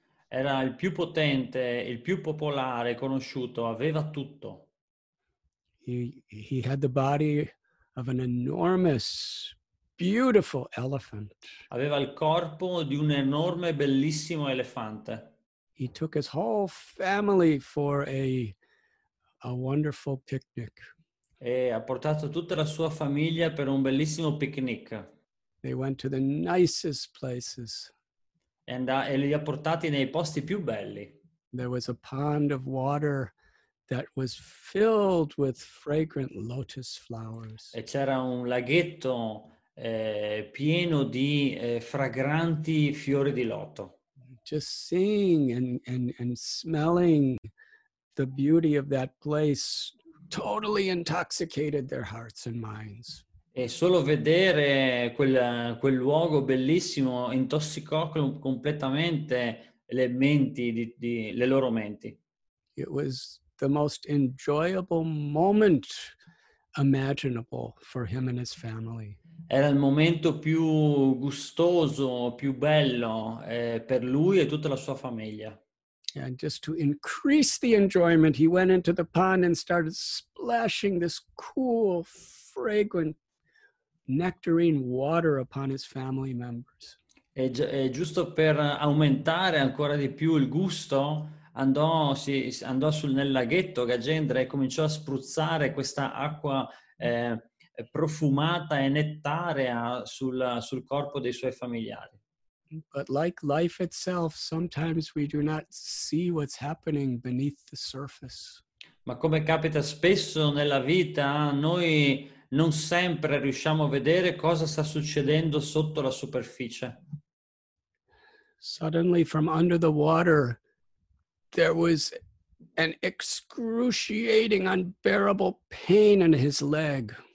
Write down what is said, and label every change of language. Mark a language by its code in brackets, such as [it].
[it] Era il più potente, il più popolare, conosciuto. Aveva tutto. [en] He had the body of an enormous, beautiful elephant. [it] Aveva il corpo di un enorme, bellissimo elefante. [en] He took his whole family for a wonderful picnic. [it] E ha portato tutta la sua famiglia per un bellissimo picnic. [en] They went to the nicest places. [it] E li ha portati nei posti più belli. [en] There was a pond of water that was filled with fragrant lotus flowers. [it] E c'era un laghetto pieno di fragranti fiori di loto. [en] Just seeing and smelling the beauty of that place totally intoxicated their hearts and minds. [it] E solo vedere quel luogo bellissimo intossicò completamente le menti di le loro menti. [en] It was the most enjoyable moment imaginable for him and his family. [it] Era il momento più gustoso, più bello per lui e tutta la sua famiglia. [en] And just to increase the enjoyment, he went into the pond and started splashing this cool, fragrant nectarine water upon his family members. [it] E giusto per aumentare ancora di più il gusto, andò sul nel laghetto Gajendra e cominciò a spruzzare questa acqua profumata e nettarea sul corpo dei suoi familiari. [en] But like life itself, sometimes we do not see what's happening beneath the surface. [it] Ma come capita spesso nella vita, noi non sempre riusciamo a vedere cosa sta succedendo sotto la superficie. [en] Suddenly from under the water there was an excruciating, unbearable pain in his leg.